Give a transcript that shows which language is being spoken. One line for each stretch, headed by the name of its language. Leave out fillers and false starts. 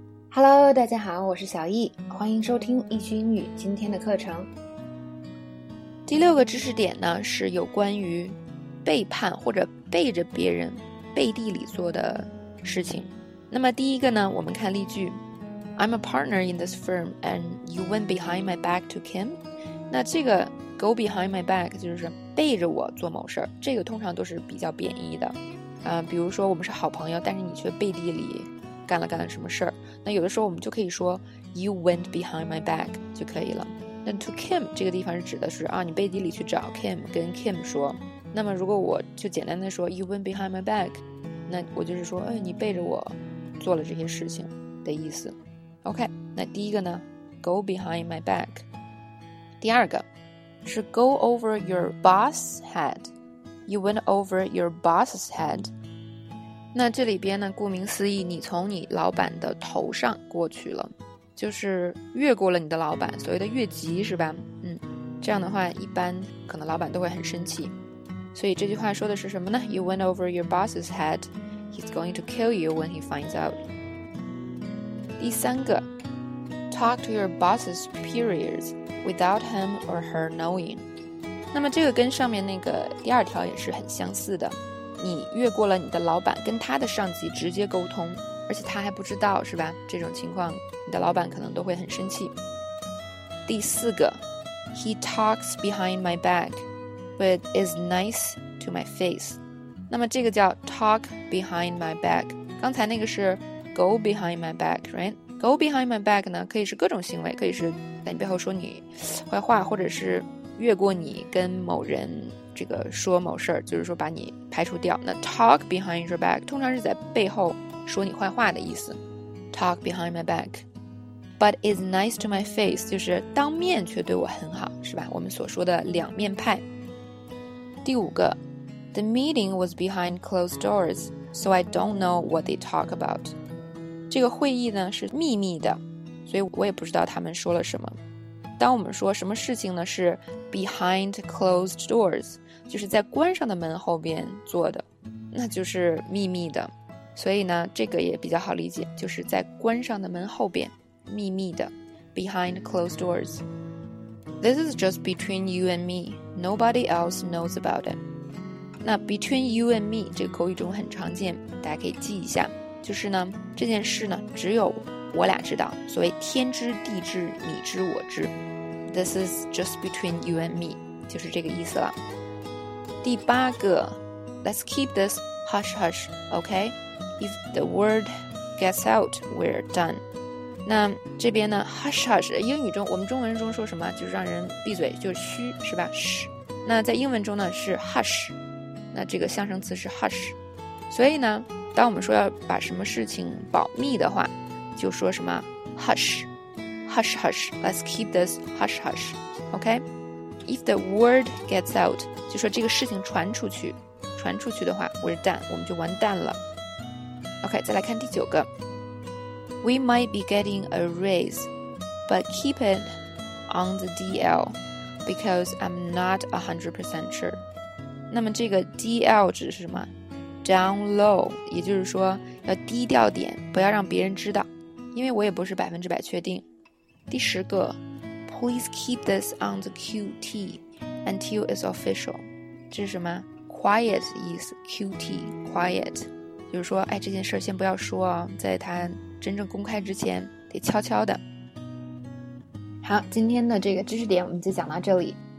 Chinese: Hello， 大家好，我是小易，欢迎收听易趣英语今天的课程。第六个知识点呢，是有关于背叛或者背着别人背地里做的事情。那么第一个呢，我们看例句
English: ：I'm a partner in this firm, and you went behind my back to Kim。
Chinese: 那这个 go behind my back 就是背着我做某事儿，这个通常都是比较贬义的。比如说我们是好朋友，但是你却背地里干了干了什么事儿，那有的时候我们就可以说
English: you went behind my back
Chinese: 就可以了。那 to Kim 这个地方是指的是啊，你背地里去找 Kim， 跟 Kim 说。那么如果我就简单的说
English: you went behind my back，
Chinese: 那我就是说，哎，你背着我做了这些事情的意思。 OK， 那第一个呢 ，
English: go behind my back。
Chinese: 第二个是
English: go over your boss's head。 You went over your boss's head。
Chinese: 那这里边呢，顾名思义，你从你老板的头上过去了，就是越过了你的老板，所谓的越级是吧？这样的话一般可能老板都会很生气，所以这句话说的是什么呢？
English: You went over your boss's head. He's going to kill you when he finds out.
Chinese: 第三个，
English: Talk to your boss's superiors without him or her knowing.
Chinese: 那么这个跟上面那个第二条也是很相似的，你越过了你的老板，跟他的上级直接沟通，而且他还不知道，是吧？这种情况，你的老板可能都会很生气。第四个
English: ，He talks behind my back, but is nice to my face。
Chinese: 那么这个叫
English: talk behind my back。
Chinese: 刚才那个是
English: go behind my back, right? Go behind my back
Chinese: 呢，可以是各种行为，可以是在你背后说你坏话，或者是越过你跟某人这个说某事儿，就是说把你排除掉。那
English: talk behind your back
Chinese: 通常是在背后说你坏话的意思，
English: talk behind my back， but is nice to my face
Chinese: 就是当面却对我很好，是吧？我们所说的两面派。第五个，
English: the meeting was behind closed doors, so I don't know what they talk about。
Chinese: 这个会议呢是秘密的，所以我也不知道他们说了什么。当我们说什么事情呢是
English: behind closed doors，
Chinese: 就是在关上的门后边做的，那就是秘密的。所以呢这个也比较好理解，就是在关上的门后边秘密的，
English: behind closed doors。 This is just between you and me, nobody else knows about it。
Chinese: 那
English: between you and me
Chinese: 这个口语中很常见，大家可以记一下，就是呢这件事呢只有我俩知道，所谓天知地知你知我知。
English: This is just between you and me
Chinese: 就是这个意思了。第八个，
English: Let's keep this hush hush, OK? If the word gets out, we're done。
Chinese: 那这边呢 hush hush 英语中我们中文中说什么，就是让人闭嘴，就是嘘，是吧？嘘。那在英文中呢是 hush， 那这个象声词是 hush。所以呢当我们说要把什么事情保密的话，就说什么
English: hush hush hush, let's keep this hush hush, OK? If the word gets out,
Chinese: 就说这个事情传出去，传出去的话
English: we're done,
Chinese: 我们就完蛋了。
English: OK,
Chinese: 再来看第九个，
English: We might be getting a raise, but keep it on the DL because I'm not 100% sure。
Chinese: 那么这个 DL 指的是什么？
English: Down low,
Chinese: 也就是说要低调点，不要让别人知道，因为我也不是百分之百确定。第十个，
English: Please keep this on the QT until it's official。
Chinese: 这是什么？
English: Quiet
Chinese: 意思， QT quiet 就是说，哎，这件事先不要说啊，在它真正公开之前得悄悄的。好，今天的这个知识点我们就讲到这里。